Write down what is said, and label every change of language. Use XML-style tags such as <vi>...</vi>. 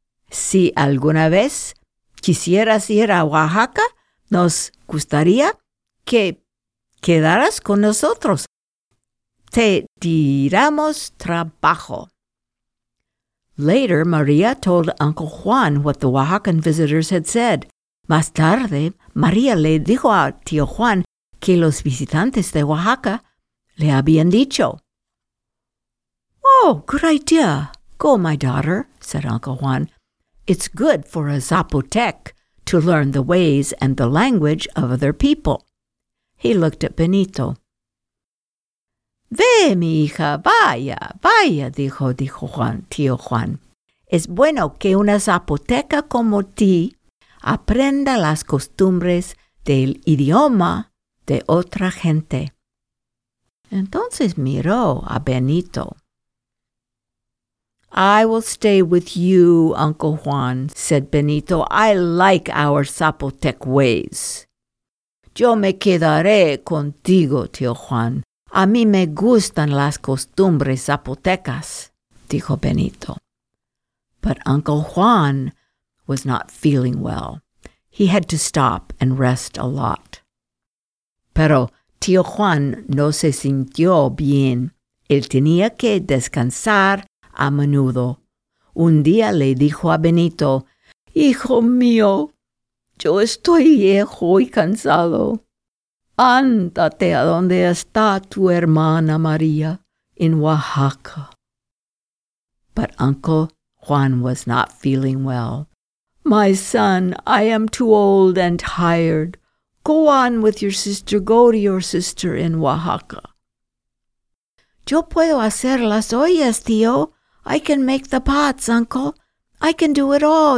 <es>Si alguna vez quisieras ir a Oaxaca, nos gustaría que quedaras con nosotros. Te diramos trabajo.</es> <en>Later, Maria told Uncle Juan what the Oaxacan visitors had said.</en> <es>Más tarde, Maria le dijo a tío Juan que los visitantes de Oaxaca le habían dicho.</es> <en>Oh, good idea. Go, my daughter, said Uncle Juan. It's good for a Zapotec to learn the ways and the language of other people. He looked at Benito.</en> <es>Ve, mi hija, vaya, vaya, dijo Juan, tío Juan. Es bueno que una zapoteca como ti aprenda las costumbres del idioma de otra gente. Entonces miró a Benito.</es> <en>I will stay with you, Uncle Juan, said Benito. I like our Zapotec ways.</en> <es>Yo me quedaré contigo, tío Juan. A mí me gustan las costumbres zapotecas, dijo Benito. But Uncle Juan was not feeling well. He had to stop and rest a lot. Pero tío Juan no se sintió bien. Él tenía que descansar a menudo. Un día le dijo a Benito, Hijo mío, yo estoy viejo y cansado. Ándate a donde está tu hermana María, en Oaxaca.</es> <en>But Uncle Juan was not feeling well. My son, I am too old and tired. Go on with your sister. Go to your sister in Oaxaca.</en> <es>Yo puedo hacer las ollas, tío.</es> <en>I can make the pots, uncle. I can do it all.</en>